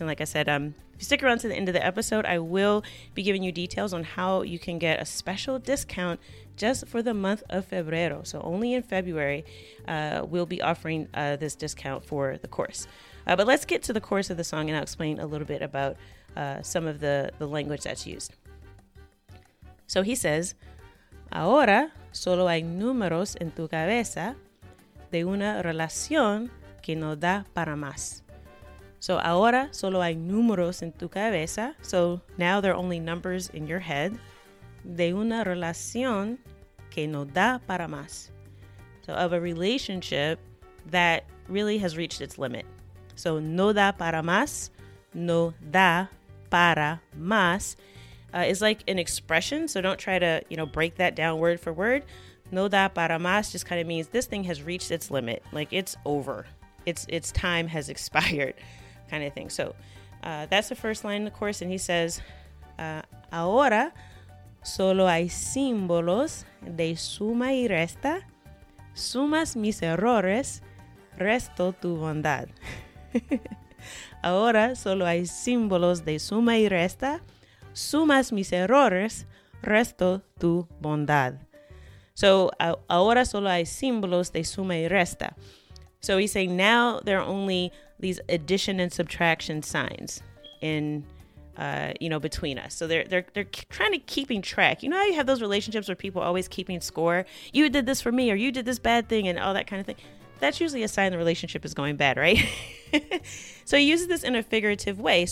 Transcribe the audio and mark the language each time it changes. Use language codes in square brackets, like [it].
[en] And like I said, if you stick around to the end of the episode, I will be giving you details on how you can get a special discount just for the month of Febrero. So only in February, we'll be offering this discount for the course. But let's get to the chorus of the song and I'll explain a little bit about some of the language that's used. So he says, [es] Ahora solo hay números en tu cabeza de una relación que no da para más. So ahora solo hay números en tu cabeza. [en] So now there are only numbers in your head. [es] De una relación que no da para más. [en] So of a relationship that really has reached its limit. [es] So no da para más. No da para más. [en] It's like an expression, so don't try to, you know, break that down word for word. [es] No da para más [en] just kind of means this thing has reached its limit. Like, it's over. Its time has expired kind of thing. So that's the first line, of course, and he says, [es] Ahora solo hay símbolos de suma y resta. Sumas mis errores, resto tu bondad. Ahora solo hay símbolos de suma y resta. Sumas mis errores, resto tu bondad. So, ahora solo hay símbolos de suma y resta. [en] So, he's saying now there are only these addition and subtraction signs in, you know, between us. So, they're trying to keeping track. You know how you have those relationships where people always keeping score? You did this for me or you did this bad thing and all that kind of thing. That's usually a sign the relationship is going bad, right? So, he uses this in a figurative way.